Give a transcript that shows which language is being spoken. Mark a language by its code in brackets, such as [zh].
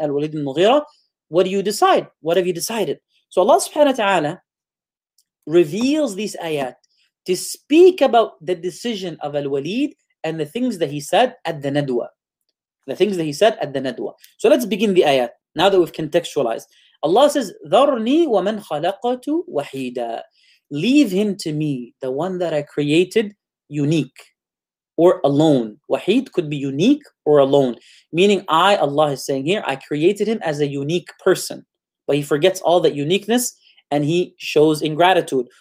[en] Al-Walid al-Mughira, what do you decide? What have you decided? So Allah subhanahu wa ta'ala reveals these ayat to speak about the decision of Al-Walid and the things that he said at the Nadwa. The things that he said at the Nadwa. So let's begin the ayat now that we've contextualized. Allah says, [ar] ذَرْنِي وَمَنْ خَلَقَتُ وَحِيدًا. [en] Leave him to me, the one that I created unique or alone. Wahid could be unique or alone. Meaning I, Allah is saying here, I created him as a unique person. But he forgets all that uniqueness and he shows ingratitude.